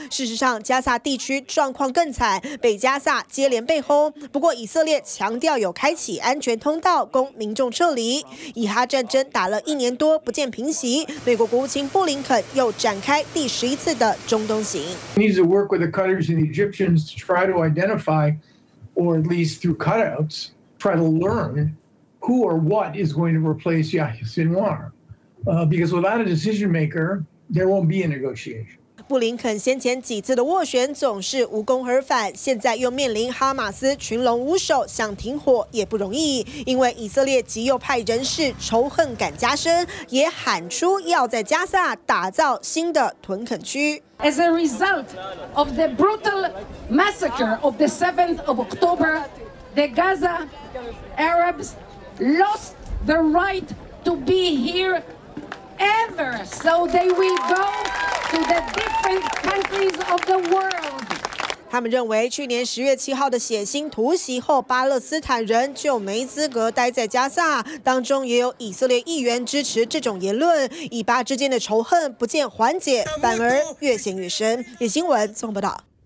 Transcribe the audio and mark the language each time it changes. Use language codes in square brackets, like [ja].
[zh] 事实上，加萨地区状况更惨，北加萨接连被轰。不过，以色列强调有开启安全通道供民众撤离。以哈战争打了1年多不见平息，美国国务卿布林肯又展开第11次的中东行。 [en] Needs to work with the Qataris and the Egyptians to try to identify, or at least through cutouts. Try to learn who or what is going to replace Yahya Sinwar. Because without a decision maker, there won't be a negotiation. [zh] 布林肯先前几次的斡旋总是无功而返，现在又面临哈马斯群龙无首，想停火也不容易。因为以色列极右派人士仇恨感加深，也喊出要在加萨打造新的屯垦区。 [en] As a result of the brutal massacre of the 7th of October, the Gaza Arabs lost the right to be here. Ever, so they will go to the different countries of the world. [zh] 他们认为去年10月7号的血腥突袭后，巴勒斯坦人就没资格待在加萨。当中也有以色列议员支持这种言论。以巴之间的仇恨不见缓解，反而越陷越深。野新闻综合报道。